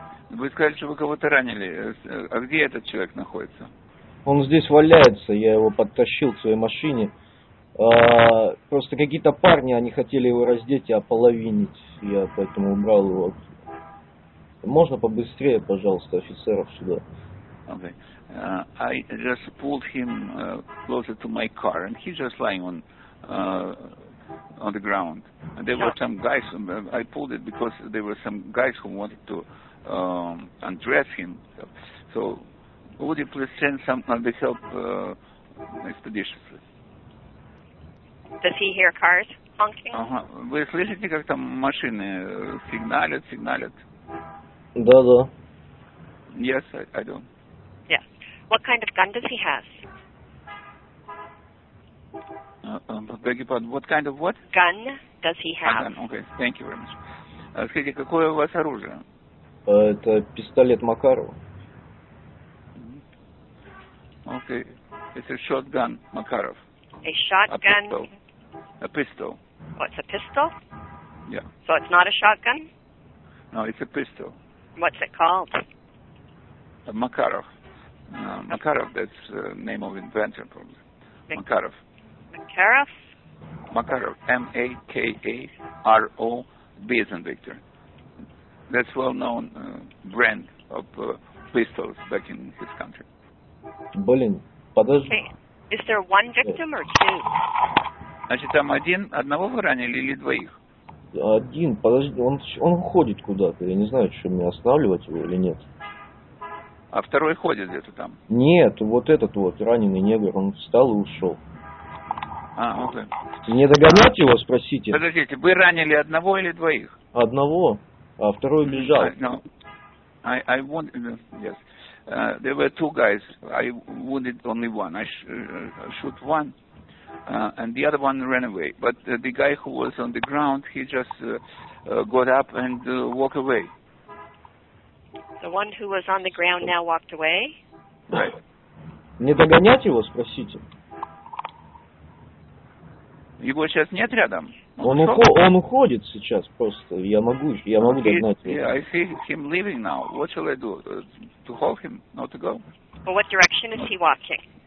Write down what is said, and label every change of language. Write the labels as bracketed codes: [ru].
[ru] Вы сказали, что вы кого-то ранили. А где этот человек находится? Он здесь валяется. Я его подтащил к своей машине. Просто какие-то парни, они хотели его раздеть и ополовинить. Я поэтому убрал его. Можно побыстрее, пожалуйста, офицеров сюда? [en] Okay. I just pulled him closer to my car, and he's just lying on the ground. And there were some guys. I pulled it because there were some guys who wanted to undress him. So, would you please send some of the help expeditiously? Does he hear cars honking? [ru] Вы слышите, как там машины сигналят? Да. [en] Yes, I do. What kind of gun does he have? Beg your pardon, what kind of what? Gun does he have? Gun. Okay, thank you very much. [ru] Скажите, какое у вас оружие? Это пистолет Макарова. [en] Okay, it's a shotgun Макаров. A shotgun? A pistol. What's a pistol? Yeah. So it's not a shotgun? No, it's a pistol. What's it called? A Макаров. Makarov, that's the name of inventor, probably. Makarov. Makarov? Makarov, M-A-K-A-R-O-B as in Victor. That's well-known brand of pistols back in his country. [ru] Блин, подожди. [en] Okay. Is there one victim or two? [ru] Значит, там одного вы ранили или двоих? Один, подожди, он ходит куда-то, я не знаю, что мне останавливать его или нет. А второй ходит где-то там? Нет, вот этот вот, раненый негр, он встал и ушел. А, окей. Не догонять его, спросите? Подождите, вы ранили одного или двоих? Одного, а второй бежал. [en] Yes. There were two guys. I wounded only one. I shoot one, and the other one ran away. But the guy who was on the ground, he just got up and walked away. The one who was on the ground now walked away? [ru] Не догонять его, спросите. Его сейчас нет рядом? Он уходит сейчас просто. Я могу догнать его. [en] I see him leaving now. What shall I do? To hold him, not to go? Well, what direction is he walking?